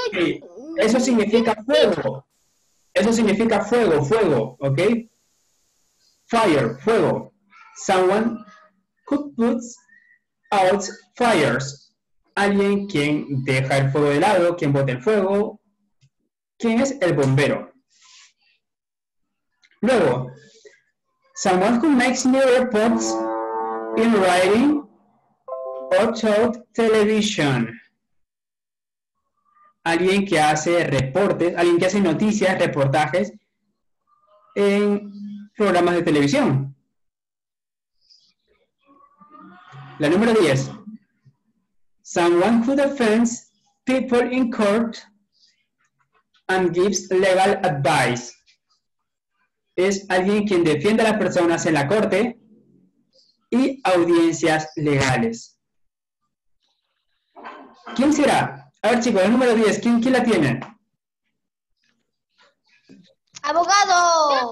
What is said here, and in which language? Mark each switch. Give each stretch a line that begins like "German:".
Spanish: Okay. Eso significa fuego. Eso significa fuego, fuego, ¿ok?
English: Fire, fuego. Someone who puts out fires.
Spanish: Alguien quien deja el fuego de lado, quien bota el fuego. ¿Quién es el bombero?
English: Luego, someone who makes new reports in writing.
Spanish: Ocho television. Alguien que hace reportes, alguien que hace noticias, reportajes en programas de televisión. La número 10.
English: Someone who defends people in court and gives legal advice.
Spanish: Es alguien quien defiende a las personas en la corte y audiencias legales. ¿Quién será? A ver, chicos, el número 10. ¿Quién la tiene? ¡Abogado!